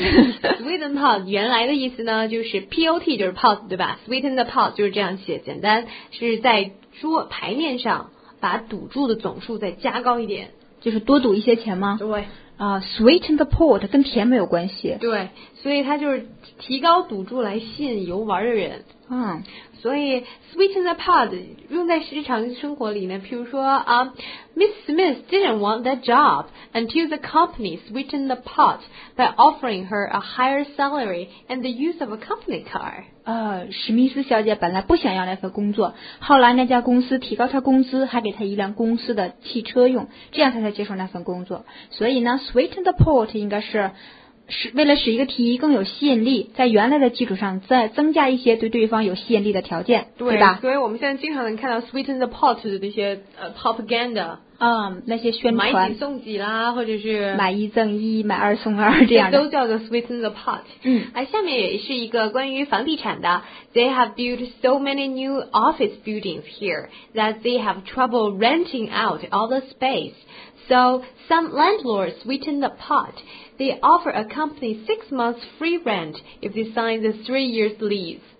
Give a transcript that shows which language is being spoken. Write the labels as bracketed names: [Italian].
[Chinese] ？Sweeten pot 原来的意思呢，就是 pot 就是 pot 对吧 ？Sweeten the pot 就是这样写，简单是在桌牌面上把赌注的总数再加高一点，就是多赌一些钱吗？对。 Sweeten the pot 跟甜没有关系。对，所以它就是提高赌注来吸引游玩的人。所以 sweeten the pot 用在日常生活里呢，譬如说 [English] Miss Smith didn't want that job until the company sweetened the pot by offering her a higher salary and the use of a company car. [Chinese] 史密斯小姐本来不想要那份工作，后来那家公司提高她工资，还给她一辆公司的汽车用，这样她才接受那份工作。所以呢 sweeten the pot 应该是为了使一个提议更有吸引力，在原来的基础上再增加一些对对方有吸引力的条件，对吧？所以我们现在经常能看到 sweeten the pot 的那些propaganda，嗯，那些宣传买几送几啦，或者是买一赠一买二送二，这样都叫做 sweeten the pot。嗯，下面也是一个关于房地产的。 [English] They have built so many new office buildings here that they have trouble renting out all the space. So some landlords sweeten the pot. They offer a company 6 months free rent if they sign the 3 years lease.